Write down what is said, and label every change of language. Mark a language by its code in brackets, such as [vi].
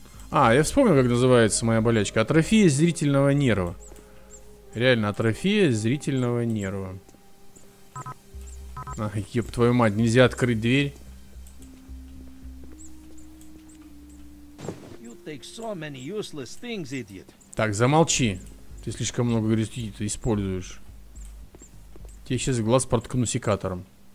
[ru] А, я вспомнил, как называется моя болячка. Атрофия зрительного нерва. Реально, атрофия зрительного нерва. А, еб твою мать, нельзя открыть дверь. [en] You take so many useless things, idiot. [ru] Так, замолчи. Ты слишком много говоришь, ты используешь. Тебе сейчас глаз проткну секатором.